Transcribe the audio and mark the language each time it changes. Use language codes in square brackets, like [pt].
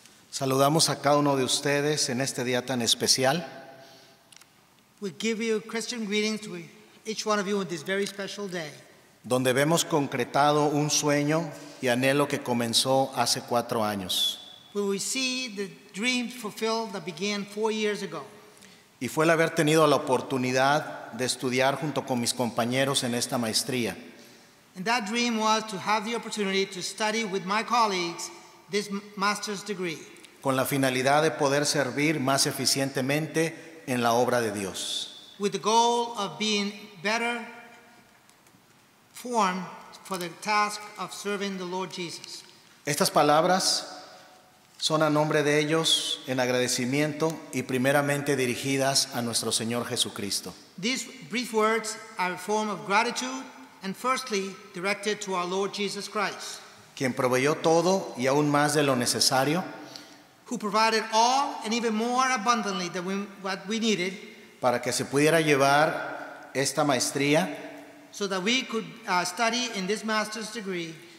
[es] Saludamos a cada uno de ustedes en este día tan especial. [en] We give you Christian greetings to each one of you on this very special day. [es] Donde vemos concretado un sueño y anhelo que comenzó hace 4 años. [en] Where we see the dream fulfilled that began 4 years ago. [es] Y fue el haber tenido la oportunidad de estudiar junto con mis compañeros en esta maestría. [en] And that dream was to have the opportunity to study with my colleagues this master's degree. [es] Con la finalidad de poder servir más eficientemente en la obra de Dios. [en] With the goal of being better formed for the task of serving the Lord Jesus. [es] Estas palabras son a nombre de ellos en agradecimiento y primeramente dirigidas a nuestro Señor Jesucristo. [en] These brief words are a form of gratitude. And firstly, directed to our Lord Jesus Christ. [es] Quien proveyó todo y aún más de lo necesario. [en] Who provided all and even more abundantly than what we needed. [es] Para que se pudiera llevar esta maestría. [en] So that we could study in this master's degree.